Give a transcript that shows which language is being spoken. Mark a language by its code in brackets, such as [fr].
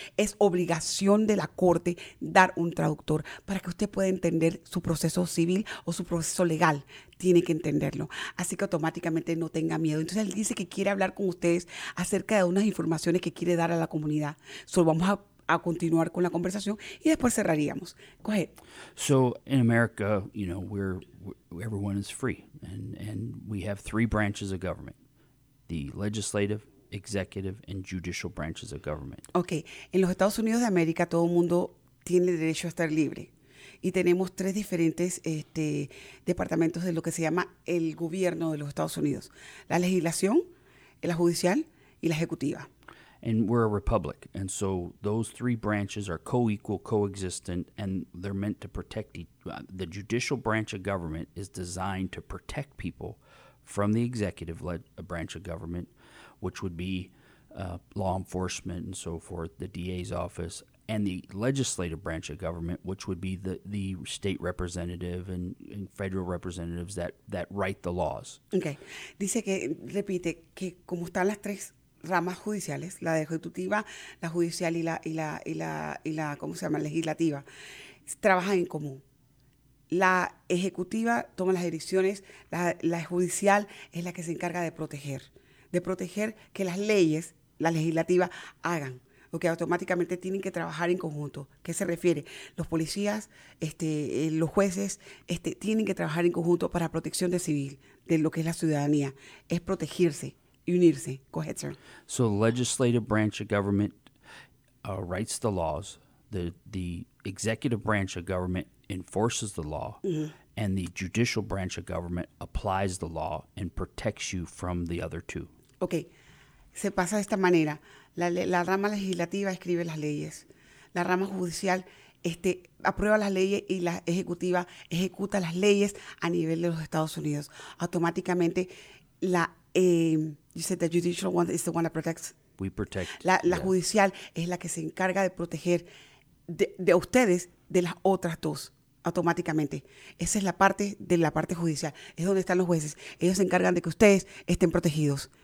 [es] Es obligación de la corte dar un traductor para que usted pueda entender su proceso civil o su proceso legal. Tiene que entenderlo. Así que automáticamente no tenga miedo. Entonces, él dice que quiere hablar con ustedes acerca de unas informaciones que quiere dar a la comunidad. Solo vamos a continuar con la conversación y después cerraríamos. [en] Go ahead. So, in America, everyone is free. And we have three branches of government, the legislative, executive, and judicial branches of government. Okay. [es] En los Estados Unidos de América, todo el mundo tiene derecho a estar libre. Y tenemos tres diferentes departamentos de lo que se llama el gobierno de los Estados Unidos. La legislación, la judicial y la ejecutiva. [en] And we're a republic. And so those three branches are co-equal, co-existent, and they're meant to protect the judicial branch of government is designed to protect people from the executive branch of government, which would be law enforcement and so forth, the DA's office, and the legislative branch of government, which would be the state representative and federal representatives that write the laws. Okay. [es] Dice que, repite, que como están las tres ramas judiciales, la ejecutiva, la judicial y la ¿cómo se llama? Legislativa, trabajan en común. La ejecutiva toma las decisiones, la judicial es la que se encarga de proteger que las leyes, la legislativa, hagan. Que automáticamente tienen que trabajar en conjunto. ¿Qué se refiere? Los policías, los jueces, tienen que trabajar en conjunto para protección de civil, de lo que es la ciudadanía. Es protegerse y unirse. [en] Go ahead, sir. So the legislative branch of government writes the laws. The executive branch of government enforces the law. Mm-hmm. And the judicial branch of government applies the law and protects you from the other two. [es] Okay. Se pasa de esta manera. La rama legislativa escribe las leyes. La rama judicial aprueba las leyes y la ejecutiva ejecuta las leyes a nivel de los Estados Unidos. [en] Automáticamente, you said the judicial one is the one that protects. We protect. [es] La judicial es la que se encarga de proteger de ustedes de las otras dos, automáticamente. Esa es la parte judicial. Es donde están los jueces. Ellos se encargan de que ustedes estén protegidos.